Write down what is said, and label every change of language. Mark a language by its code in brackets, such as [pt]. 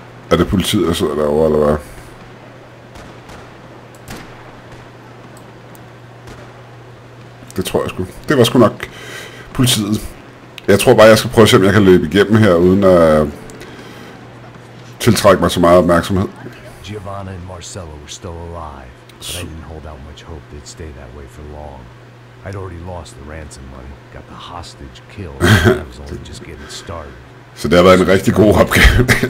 [da] Er det politiet, der sidder derovre, eller hvad? Det tror jeg sgu. Det var sgu nok politiet. Jeg tror bare, jeg skal prøve at se, om jeg kan løbe igennem her, uden at tiltrække mig så meget opmærksomhed. [en] Giovanna and Marcello were still alive, but I didn't hold out much hope they'd stay that way for long. I'd already lost the ransom money, got the hostage killed, and I was only just getting started. [da] Så det har været en rigtig god opgave.